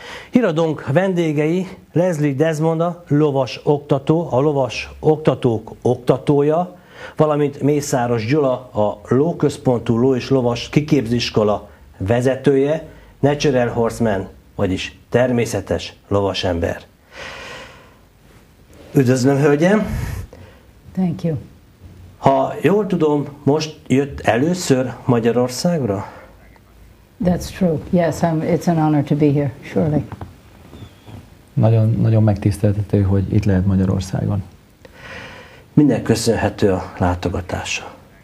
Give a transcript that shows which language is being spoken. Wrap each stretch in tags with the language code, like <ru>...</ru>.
<hu>Híradónk vendégei Leslie Desmonda, lovas oktató, a lovas oktatók oktatója, valamint Mészáros Gyula, a lóközpontú ló és lovas kiképzőiskola vezetője, natural horseman, vagyis természetes lovasember. Üdvözlöm, hölgyem!</hu> <en>Thank you!</en> <hu>Ha jól tudom, most jött először Magyarországra?</hu> <en>That's true. Yes, it's an honor to be here, surely.</en> <hu>Nagyon, nagyon megtiszteltető, hogy itt lehet Magyarországon. Minek köszönhető a látogatása?</hu>